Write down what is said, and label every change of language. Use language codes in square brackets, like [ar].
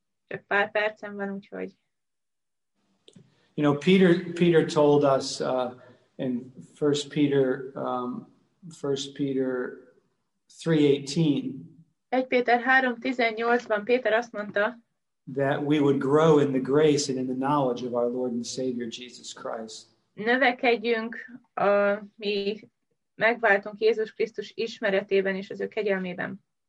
[hu] Csak pár percem van, úgyhogy. [en] You know, Peter told us in 1 Peter 3:18. [hu] 1 Péter 3:18-ban Péter azt mondta, [en] that we would grow in the grace and in the knowledge of our Lord and Savior Jesus Christ. [hu] Növekedjünk a mi megváltunk Jézus Krisztus ismeretében és az ő kegyelmében.